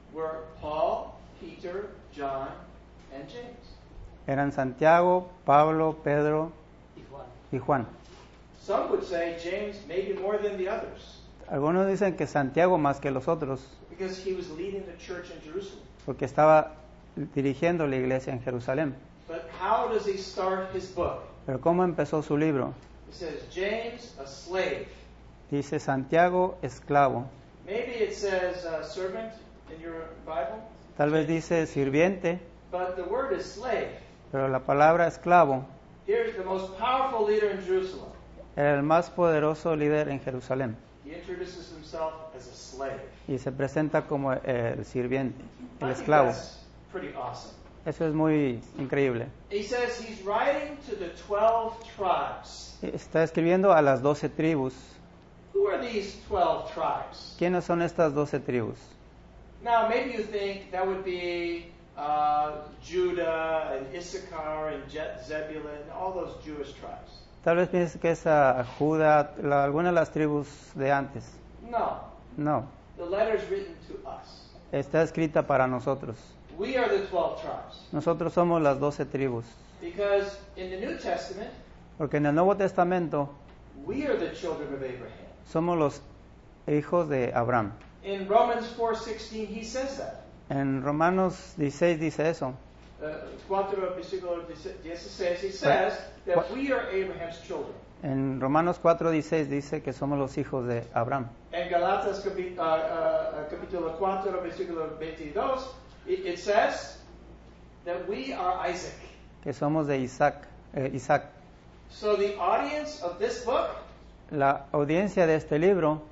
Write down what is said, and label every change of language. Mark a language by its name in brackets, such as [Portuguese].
[English] were Paul, Peter, John, and James. [Spanish] Eran Santiago, Pablo, Pedro y Juan. [English] Some would say James maybe more than the others. [Spanish] Algunos dicen que Santiago más que los otros. [English] Because he was leading the church in Jerusalem. [Spanish] Porque estaba dirigiendo la iglesia en Jerusalén. [English] But how does he start his book? [Spanish] Pero ¿cómo empezó su libro? [English] He says, James, a slave. [Spanish] Dice Santiago, esclavo. [English] Maybe it says servant in your Bible. [Spanish] Tal vez dice sirviente. [English] But the word is slave. [Spanish] Pero la palabra esclavo. [English] Here's the most powerful leader in Jerusalem. [Spanish] Era el más poderoso líder en Jerusalén. [English] He introduces himself as a slave. [Spanish] Y se presenta como el sirviente, el esclavo. [English] That's pretty awesome. [Spanish] Eso es muy increíble. [English] He says he's writing to the 12 tribes. [Spanish] Está escribiendo a las 12 tribus. [English] Who are these 12 tribes? [Spanish] ¿Quiénes son estas 12 tribus? [English] Now maybe you think that would be Judah and Issachar and Zebulun, all those Jewish tribes. [Spanish] Tal vez pienses que es a Judá, alguna de las tribus de antes. [English] No. [Spanish] No. [English] The letter is written to us. [Spanish] Está escrita para nosotros. [English] We are the 12 tribes. [Spanish] Nosotros somos las 12 tribus. [English] Because in the New Testament, [Spanish] porque en el Nuevo Testamento, [English] we are the children of Abraham. [Spanish] Somos los hijos de Abraham. [English] In Romans 4:16, he says that. [Spanish] En Romanos 16 dice eso. [English] 4:16, he says that we are Abraham's children. [Spanish] En Romanos 4:16 dice que somos los hijos de Abraham. En Galatas capítulo 4, versículo 22, [English] it says that we are Isaac. [Spanish] Que somos de Isaac. Isaac. [English] So the audience of this book, [Spanish] la audiencia de este libro,